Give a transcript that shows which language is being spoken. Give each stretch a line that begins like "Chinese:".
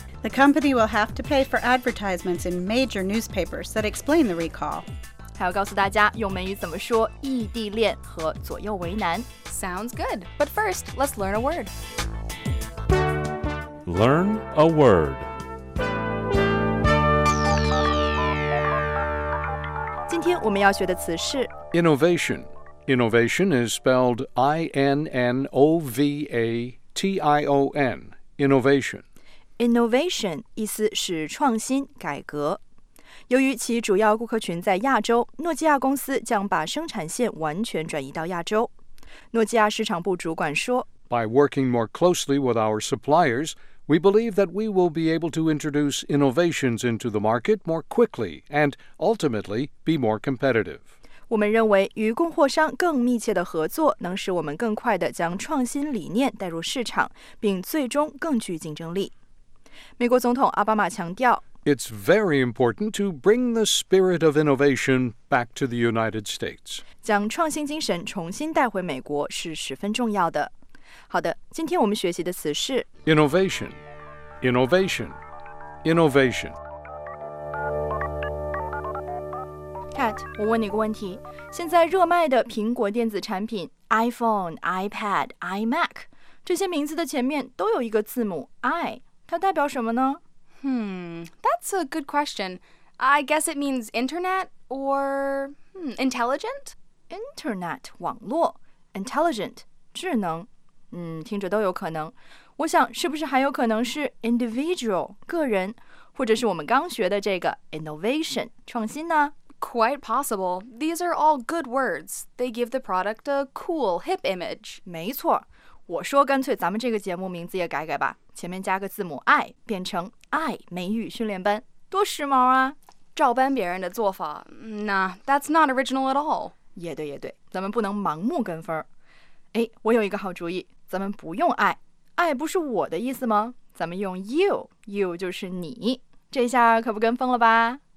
English: The company will have to pay for advertisements in major newspapers that explain the recall.
Chinese: 还要告诉大家用美语怎么说异地恋和左右为难。
English: Sounds good. But first, let's learn a word. Learn a word.
Chinese: 今天我们要学的词是
English: innovation. Innovation is spelled I-N-N-O-V-A-T-I-O-N. Innovation.
Chinese: Innovation 意思是创新、改革。由于其主要顾客群在亚洲，诺基亚公司将把生产线完全转移到亚洲。诺基亚市场部主管说
English: By working more closely with our suppliers, we believe that we will be able to introduce innovations into the market more quickly and ultimately be more competitive.
Chinese: 我们认为与供货商更密切的合作能使我们更快地将创新理念带入市场，并最终更具竞争力。美国总统奥巴马强调
English: It's very important to bring the spirit of innovation back to the United States.
Chinese: 将创新精神重新带回美国是十分重要的。好的，今天我们学习的词是
English: Innovation, innovation, innovation.
Chinese: Kat, 我问你个问题，现在热卖的苹果电子产品 iPhone, iPad, iMac 这些名字的前面都有一个字母 I. 它代表什么呢?
English: That's a good question. I guess it means internet or intelligent?
Chinese: Internet, 网络, intelligent, 智能。听着都有可能。我想是不是还有可能是
English: individual,
Chinese: 个人,或者是我们刚学的这个 innovation, 创新呢?
English: Quite possible. These are all good words. They give the product a cool, hip image.
Chinese: 没错。我说干脆咱们这个节目名字也改改吧。前面加个字母 I 变成 I 美语训练班多时髦啊照搬别人的做法
English: Nah, that's not original at all
Chinese: 也对也对咱们不能盲目跟风哎，我有一个好主意咱们不用 I I 不是我的意思吗咱们用 You You 就是你这下可不跟风了吧